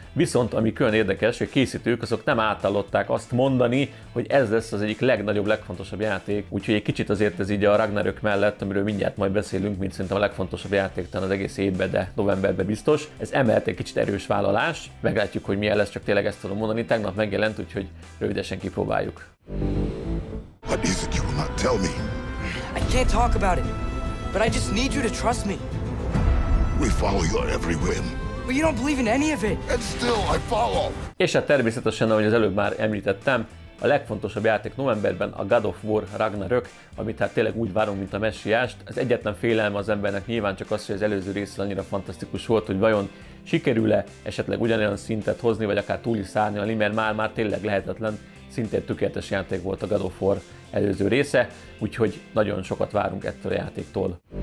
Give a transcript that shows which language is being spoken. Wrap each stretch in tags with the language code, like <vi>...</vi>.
<hu>Viszont ami külön érdekes, hogy a készítők azok nem átallották azt mondani, hogy ez lesz az egyik legnagyobb, legfontosabb játék. Úgyhogy egy kicsit azért ez így a Ragnarök mellett, amiről mindjárt majd beszélünk, mint szerintem a legfontosabb játék talán az egész évben, de novemberben biztos. Ez emellett egy kicsit erős vállalás. Meglátjuk, hogy milyen lesz, csak tényleg ezt tudom mondani. Tegnap megjelent, úgyhogy rövidesen kipróbáljuk.</hu> <en>What is it you will not tell me? I can't talk about it, but I just need you to trust me. We follow your every whim. But you don't believe in any of it. And still I follow.</en> <hu>És hát természetesen, ahogy az előbb már említettem, a legfontosabb játék novemberben a God of War Ragnarök, amit hát tényleg úgy várunk, mint a messiást. Az egyetlen félelme az embernek nyilván csak az, hogy az előző részre annyira fantasztikus volt, hogy vajon sikerül-e esetleg ugyanolyan szintet hozni, vagy akár túl is szárnyalni, mert már tényleg lehetetlen, szintén tökéletes játék volt a God of War előző része, úgyhogy nagyon sokat várunk ettől a játéktól.</hu>